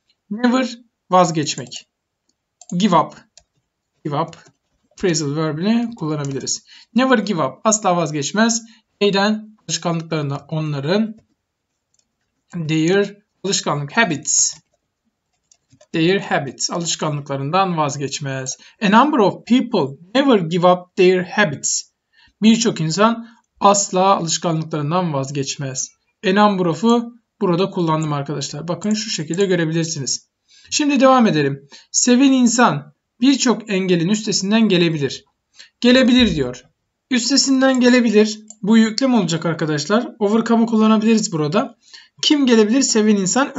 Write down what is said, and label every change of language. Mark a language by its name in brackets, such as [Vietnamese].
[English] Never vazgeçmek. Give up. Give up. [Turkish] Phrasal verbini kullanabiliriz. [English] Never give up. [Turkish] Asla vazgeçmez. Neyden? Alışkanlıklarından onların. [English] Their alışkanlık. Habits. Their habits. [Turkish] Alışkanlıklarından vazgeçmez. [English] A number of people never give up their habits. [Turkish] Birçok insan asla alışkanlıklarından vazgeçmez. A number of'u burada kullandım arkadaşlar. Bakın şu şekilde görebilirsiniz. Şimdi devam edelim. Seven insan birçok engelin üstesinden gelebilir. Gelebilir diyor. Üstesinden gelebilir. Bu yüklem olacak arkadaşlar. Overcome'ı kullanabiliriz burada. Kim gelebilir? Seven insan.